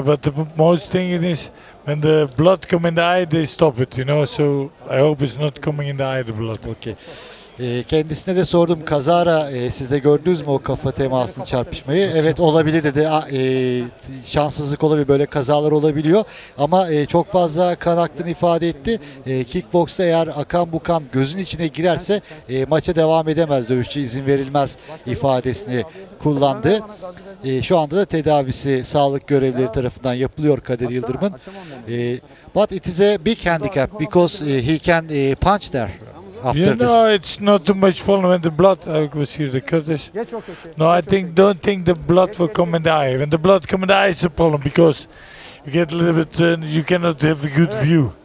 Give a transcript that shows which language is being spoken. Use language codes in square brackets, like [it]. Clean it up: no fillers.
[en] But the most thing is when the blood comes in the eye, they stop it, you know. So I hope it's not coming in the eye, the blood. Okay. [tr] Kendisine de sordum, kazara siz de gördünüz mü o kafa temasını, çarpışmayı? Evet, olabilir dedi. Şanssızlık olabilir, böyle kazalar olabiliyor. Ama çok fazla kan aktığını ifade etti. Kickboksta eğer akan bu kan gözün içine girerse maça devam edemez, dövüşçü izin verilmez ifadesini kullandı. Şu anda da tedavisi sağlık görevlileri tarafından yapılıyor Kadir Yıldırım'ın. [en] But it is a big handicap because he can punch there. After you know, this. It's not too much problem when the blood, I was here, the cutters. No, I think, don't think the blood will come in the eye. When the blood comes in the eye, it's a problem because you get a little bit, you cannot have a good view.